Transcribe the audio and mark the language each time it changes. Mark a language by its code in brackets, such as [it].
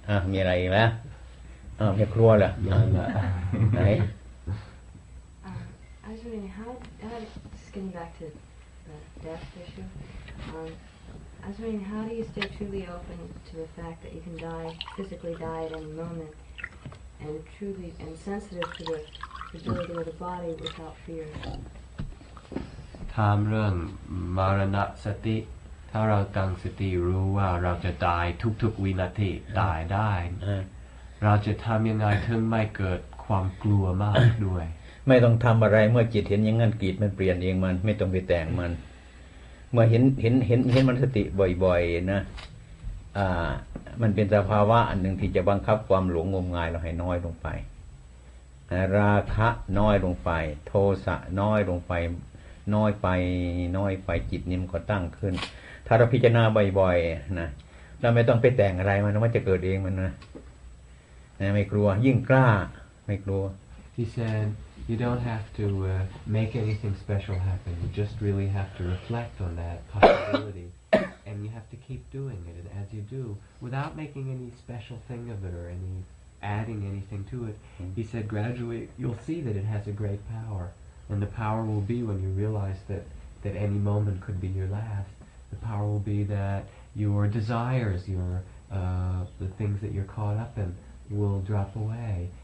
[th] มีอะไรอีกไหมมีครัวเหรอไหน [en] actually how skipping back to the death issue how do you stay truly open to the fact that you can die physically die at any moment and truly and sensitive to the fragility of the body without fear [th] ถามเรื่องมรณสติถ้าเราตั้งสติรู้ว่าเราจะตายทุกๆวินาทีตายได้ เราจะทำยังไงถึงไม่เกิดความกลัวมากด้วย ไม่ต้องทำอะไรเมื่อจิตเห็นอย่างนั้นจิตมันเปลี่ยนเองมันไม่ต้องไปแต่งมันเมื่อเห็นมันสติบ่อยๆนะมันเป็นสภาวะอันหนึ่งที่จะบังคับความหลงงมงายเราให้น้อยลงไปราคะน้อยลงไปโทสะน้อยลงไปน้อยไปน้อยไปจิตนิ่มก็ตั้งขึ้นถ้าเราพิจารณาบ่อยๆนะเราไม่ต้องไปแต่งอะไรมันจะเกิดเองมันนะไม่กลัวยิ่งกล้าไม่กลัว [en] He said you don't have to make anything special happen you just really have to reflect on that possibility and you have to keep doing it as you do without making any special thing of it or any adding anything to it He said gradually you'll see that it has a great power and the power will be when you realize that any moment could be your last The power will be that your desires, the things that you're caught up in, will drop away.